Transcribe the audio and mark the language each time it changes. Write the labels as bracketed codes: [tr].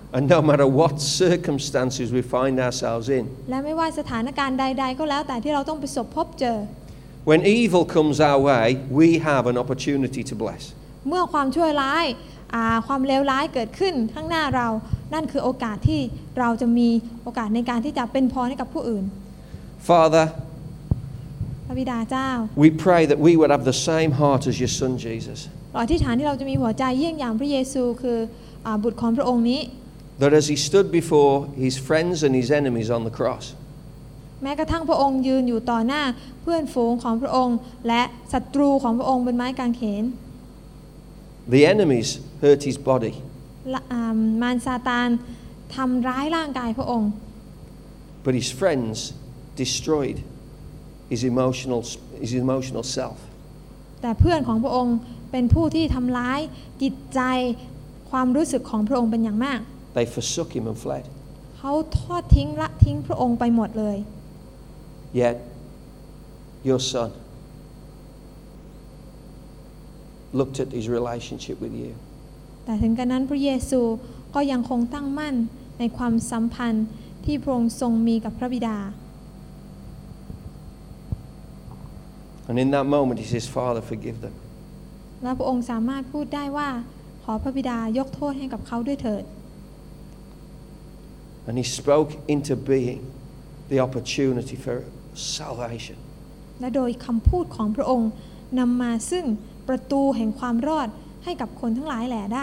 [en] And no matter what circumstances we find ourselves in. [th] และไม่ว่าสถานการณ์ใดๆก็แล้วแต่ที่เราต้องประสบพบเจ [en] อ When evil comes our way, we have an opportunity to bless. [th] เมื่อความชั่วร้ายความเลวร้ายเกิดขึ้นข้างหน้าเรานั่นคือโอกาสที่เราจะมีโอกาสในการที่จะเป็นพรให้กับผู้อื่น [en] Father. [th] พระบิดาเจ้า [en] We pray that we would have the same heart as your son Jesus. [th] เราอธิษฐานที่เราจะมีหัวใจเยี่ยงอย่างพระเยซูคือบุตรของพระองค์นี้ [en] That as he stood before his friends and his enemies on the cross. [th] แม้กระทั่งพระองค์ยืนอยู่ต่อหน้าเพื่อนฝูงของพระองค์และศัตรูของพระองค์บนไม้กางเขน [en] The enemies hurt his body. [th] มารซาตานทำร้ายร่างกายพระองค์ [en] But his friends destroyed. His emotional self. [th] แต่เพื่อนของพระองค์เป็นผู้ที่ทำร้ายจิตใจความรู้สึกของพระองค์เป็นอย่างมาก [en] They forsook him and fled. [th] เขาทอดทิ้งละทิ้งพระองค์ไปหมดเลย [en] Yet your son looked at his relationship with you. [th] แต่ถึงกระนั้นพระเยซูก็ยังคงตั้งมั่นในความสัมพันธ์ที่พระองค์ทรงมีกับพระบิดา [en] And in that moment, he says, "Father, forgive them." [th] แล้วพระองค์สามารถพูดได้ว่าขอพระบิดายกโทษให้กับเขาด้วยเถิด [en] And he spoke into being the opportunity for salvation. [th] และโดยคำพูดของพระองค์นำมาซึ่งประตูแห่งความรอดให้กับคนทั้งหลายแหล่ได